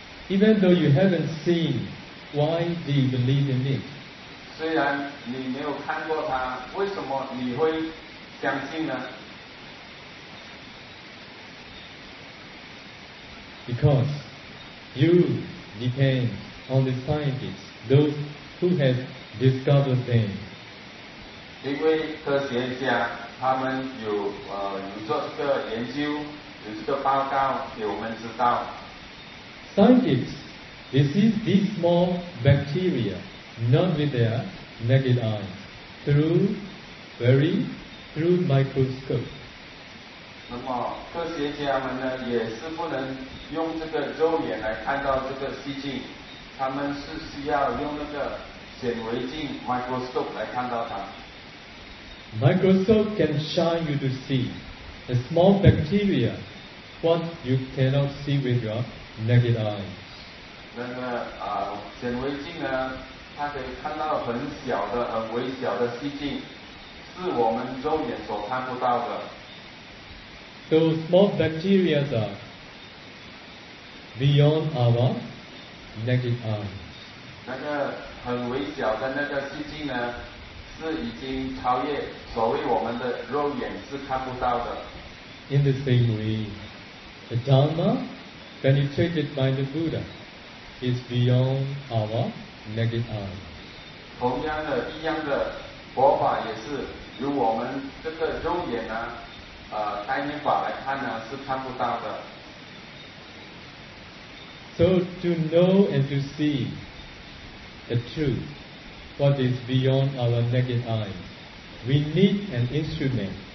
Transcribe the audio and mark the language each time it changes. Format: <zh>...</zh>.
<en>Even though you haven't seen, why do you believe in it?</en> <zh>虽然你没有看过它，为什么你会相信呢？</zh> <en>Because. You depend on the scientists, those who have discovered them.</en> <zh>因为科学家他们有做这个研究，有这个报告给我们知道。</zh> <en>Scientists, they see these small bacteria, not with their naked eyes, through microscope.</en> <zh>那么科学家们呢，也是不能用这个肉眼来看到这个细菌，他们是需要用那个显微镜 microscope 来看到它。</zh> <en>Microscope can shine you to see a small bacteria, what you cannot see with your naked eyes.</en> <zh>那个显微镜呢，它可以看到很小的、很微小的细菌，是我们肉眼所看不到的。</zh> <en>So small bacteria are beyond our naked eyes.</en> <zh>那个很微小的那个细菌呢，是已经超越所谓我们的肉眼是看不到的。</zh> <en>In the same way, the Dharma penetrated by the Buddha is beyond our naked eyes.</en> <zh>同样的，一样的佛法也是由我们这个肉眼呢。戴面法来看呢是看不到的。</zh> <en>So to know and to see the truth, what is beyond our naked eye, we need an instrument.</en>